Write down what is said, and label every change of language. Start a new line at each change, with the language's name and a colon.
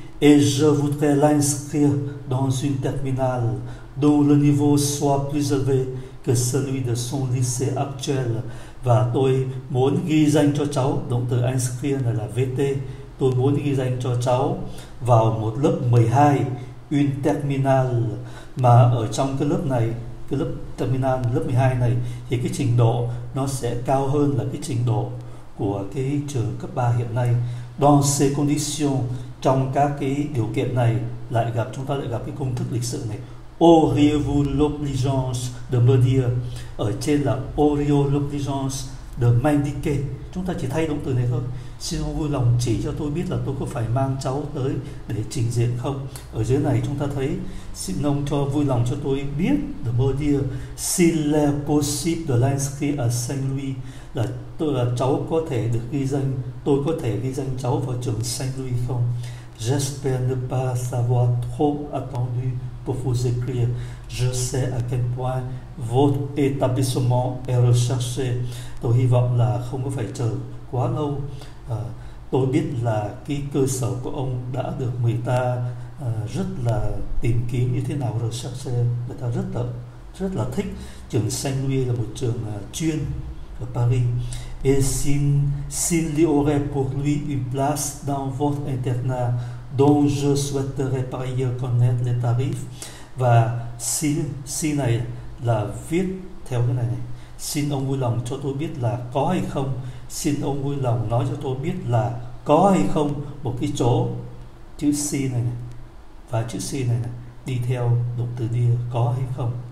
French: Et je voudrais l'inscrire dans une terminale dont le niveau soit plus élevé que celui de son lycée actuel.
Vietnamese: Và tôi muốn ghi danh cho cháu, động từ inscrire là VT, tôi muốn ghi danh cho cháu vào một lớp 12, une terminale. Mà ở trong cái lớp này, cái lớp terminal lớp 12 này, thì cái trình độ nó sẽ cao hơn là cái trình độ của cái trường cấp 3 hiện nay.
French: Dans ces conditions,
Vietnamese: trong các cái điều kiện này, chúng ta lại gặp cái công thức lịch sự này.
French: Auriez-vous l'obligeance de me dire?
Vietnamese: Ở trên là
French: auriez-vous l'obligeance de m'indiquer.
Vietnamese: Chúng ta chỉ thay động từ này thôi. Xin ông vui lòng chỉ cho tôi biết là tôi có phải mang cháu tới để trình diện không? Ở dưới này chúng ta thấy, xin ông cho vui lòng cho tôi biết,
French: de me dire, s'il est possible de l'inscrire à Saint-Louis,
Vietnamese: là cháu có thể được ghi danh, tôi có thể ghi danh cháu vào trường Saint-Louis không?
French: J'espère ne pas avoir trop attendu pour vous écrire. Je sais à quel point votre établissement est recherché.
Vietnamese: Tôi hy vọng là không có phải chờ quá lâu. Tôi biết là cái cơ sở của ông đã được người ta rất là tìm kiếm như thế nào, recherché. Người ta rất là thích. Trường Saint-Louis là một trường chuyên ở Paris.
French: Et s'il y aurait pour lui une place dans votre internat dont je souhaiterais par ailleurs connaître les tarifs.
Vietnamese: Và xin này là viết theo cái này. Xin ông vui lòng cho tôi biết là có hay không. Xin ông vui lòng nói cho tôi biết là có hay không một cái chỗ chữ C này, này và chữ C này, này đi theo động từ đi có hay không.